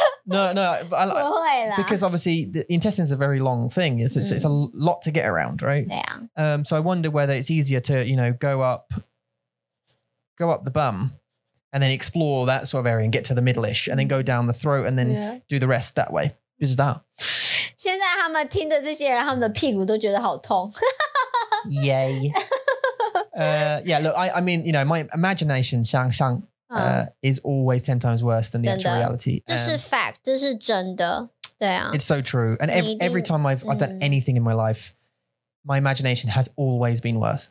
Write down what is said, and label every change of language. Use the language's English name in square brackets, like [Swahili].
[English] No, because obviously the intestines are a very long thing. It's a lot to get around, right? Yeah. So I wonder whether it's easier to, you know, go up the bum and then explore that sort of area and get to the middle-ish and then go down the throat and then do the rest that way. Just that. [Chinese] 现在他们听的这些人，他们的屁股都觉得好痛。 [English] Yay. yeah, look, I mean, you know, my imagination, is always 10 times worse than the actual reality. This is fact. This is [Chinese] 真的。对啊。 [English] It's so true. And every time I've done anything in my life, my imagination has always been worse.